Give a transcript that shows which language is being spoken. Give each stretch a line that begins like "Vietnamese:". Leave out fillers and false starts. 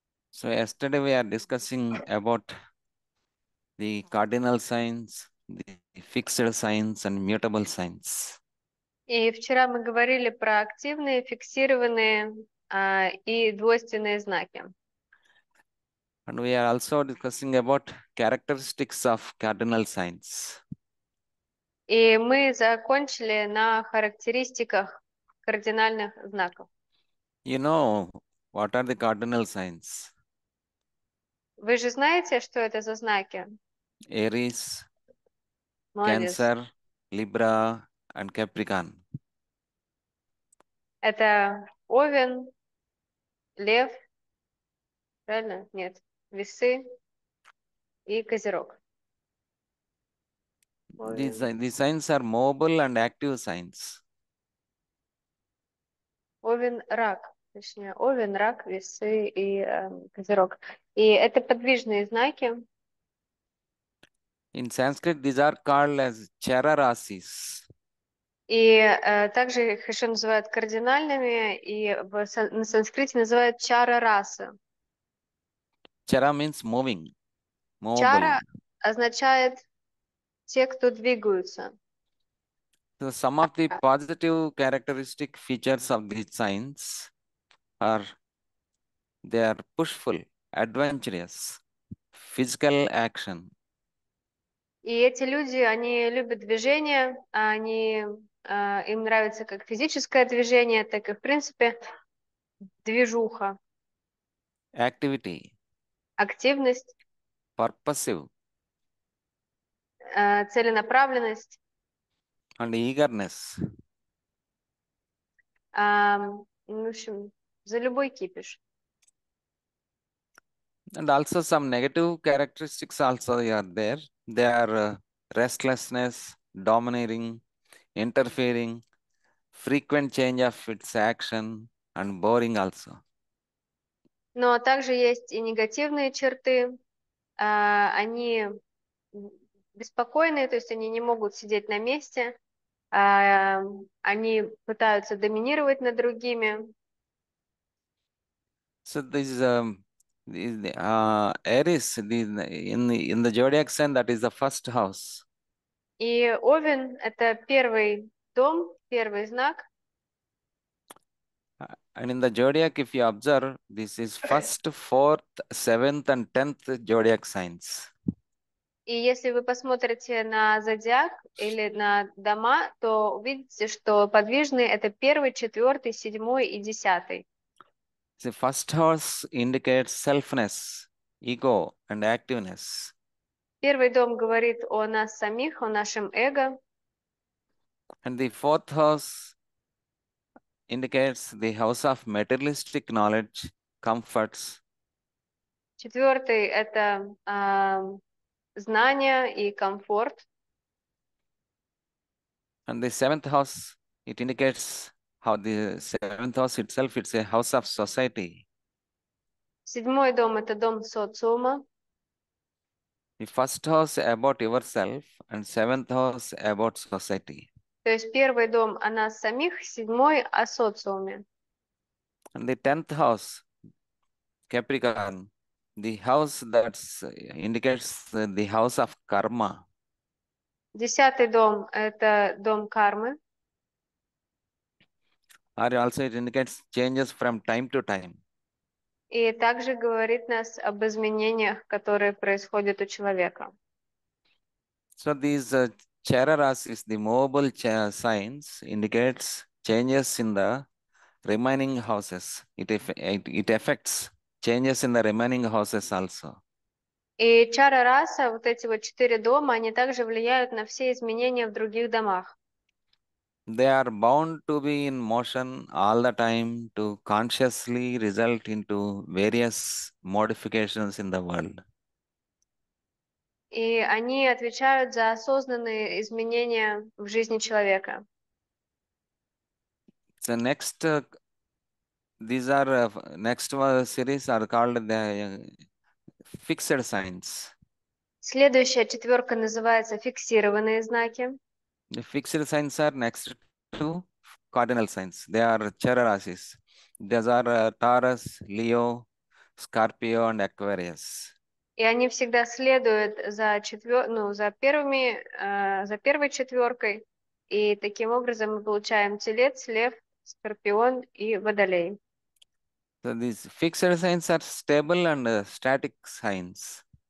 English: So yesterday we are discussing about the cardinal signs, the fixed signs and mutable signs.
Russian: И вчера мы говорили про активные, фиксированные и двойственные знаки.
English: And we are also discussing about characteristics of cardinal signs.
Russian: И мы закончили на характеристиках кардинальных знаков.
English: You know, what are the cardinal signs?
Russian: Вы же знаете, что это за знаки?
English: Aries,
Russian: Молодец.
English: Cancer, Libra and Capricorn.
Russian: Это Овен, Лев, правильно? Нет, Весы и Козерог.
English: These signs are mobile and active signs.
Russian: Овен, Рак, точнее, Овен, Рак, Весы и Козерог. И это подвижные знаки.
English: In Sanskrit, these are called as Chararasis.
Russian: И также их еще называют кардинальными, и на санскрите называют Чарарасы.
English: Chara means moving, mobile.
Russian: Чара означает те, кто двигаются.
English: So some of the positive characteristic features of these signs are they are pushful, adventurous, physical action.
Russian: И эти люди, они любят движение, они им нравится как физическое движение, так и в принципе движуха.
English: Activity.
Russian: Активность.
English: Purposive.
Russian: Целенаправленность.
English: And eagerness.
Russian: В общем, за любой кипиш.
English: And also some negative characteristics also are there. They are restlessness, domineering, interfering, frequent change of its action, and boring also.
Russian: Но также есть и негативные черты. Они беспокойные, то есть они не могут сидеть на месте. Они пытаются доминировать над другими.
English: So these Эрис, in the zodiac sign, that is the first house.
Russian: И Овен – это первый дом, первый знак.
English: And in the zodiac, if you observe, this is first, fourth, seventh, and tenth zodiac signs.
Russian: И если вы посмотрите на зодиак или на дома, то увидите, что подвижные – это первый, четвертый, седьмой и десятый.
English: The first house indicates selfness, ego, and activeness.
Russian: Первый дом говорит о нас самих, о нашем эго.
English: And the fourth house indicates the house of materialistic knowledge, comforts.
Russian: Четвертый – это знания и комфорт.
English: And the seventh house, it indicates how the seventh house itself, it's a house of society.
Russian: Седьмой дом – это дом социума.
English: The first house about yourself and seventh house about society.
Russian: То есть первый дом о нас самих, седьмой о социуме.
English: And the tenth house, Capricorn, the house that indicates the house of karma.
Russian: Десятый дом – это дом кармы.
English: Or also it indicates changes from time to time.
Russian: И также говорит нас об изменениях, которые происходят у человека.
English: So these chararas is the mobile signs indicates changes in the remaining houses. It affects changes in the remaining houses also.
Russian: И чара раса, вот эти вот четыре дома, они также влияют на все изменения в других домах.
English: They are bound to be in motion all the time to consciously result into various modifications in the world.
Russian: И они отвечают за осознанные изменения в жизни человека.
English: The next, these are next series are called the fixed signs.
Russian: Следующая четверка называется фиксированные знаки.
English: The fixed signs are next two cardinal signs. They are chararasis. These are Taurus, Leo, Scorpio, and Aquarius.
Russian: И они всегда следуют за за первой четверкой, и таким образом мы получаем Телец, Лев, Скорпион и Водолей.
English: So these fixed signs are stable and static signs.